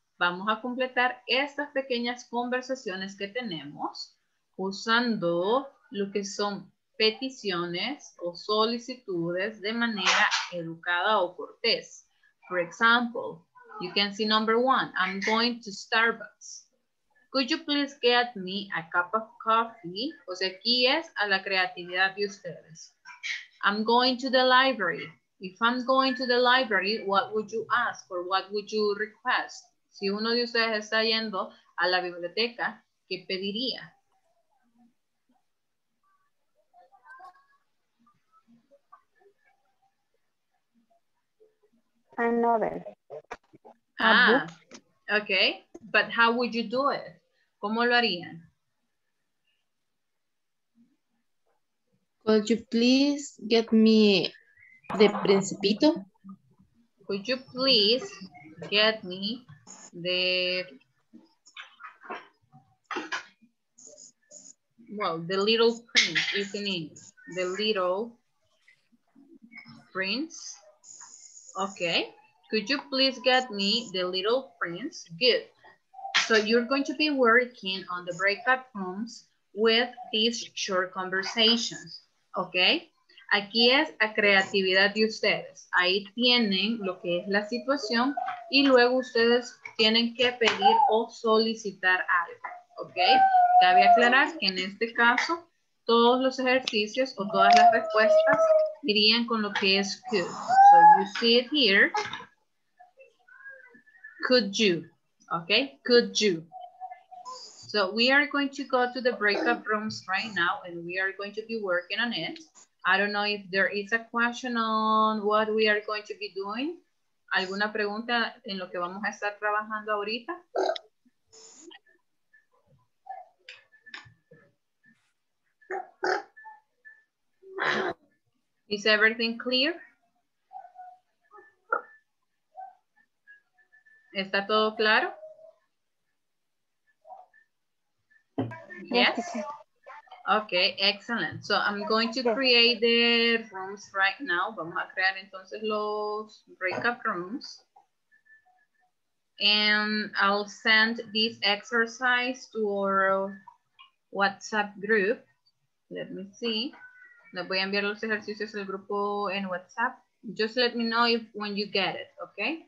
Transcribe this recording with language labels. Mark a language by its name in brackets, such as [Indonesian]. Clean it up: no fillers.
[Spanish] Vamos a completar estas pequeñas conversaciones que tenemos usando lo que son peticiones o solicitudes de manera educada o cortés. [English] For example, you can see number one, I'm going to Starbucks. Could you please get me a cup of coffee? [Spanish] O sea, aquí es a la creatividad de ustedes. [English] I'm going to the library. If I'm going to the library, what would you ask or what would you request? [Spanish] Si uno de ustedes está yendo a la biblioteca, ¿qué pediría? [English] A novel. Ah, okay. But how would you do it? [Spanish] ¿Cómo lo harían? [English] Could you please get me the Principito? Could you please get me the... Well, the Little Prince, you can eat. The Little Prince. Okay. Could you please get me the Little Prince? Good. So you're going to be working on the breakout rooms with these short conversations, okay? [Spanish] Aquí es a creatividad de ustedes. Ahí tienen lo que es la situación y luego ustedes tienen que pedir o solicitar algo, okay? Cabe aclarar que en este caso, todos los ejercicios o todas las respuestas irían con lo que es good. [English] So you see it here. Could you, okay, could you. So we are going to go to the breakout rooms right now and we are going to be working on it. I don't know if there is a question on what we are going to be doing. [Spanish] ¿Alguna pregunta en lo que vamos a estar trabajando ahorita? [English] Is everything clear? [Spanish] ¿Está todo claro? [English] Yes? Okay, excellent. So I'm going to create the rooms right now. [Spanish] Vamos a crear entonces los breakout rooms. [English] And I'll send this exercise to our WhatsApp group. Let me see. [Spanish] Les voy a enviar los ejercicios al grupo en WhatsApp. [English] Just let me know if when you get it, okay?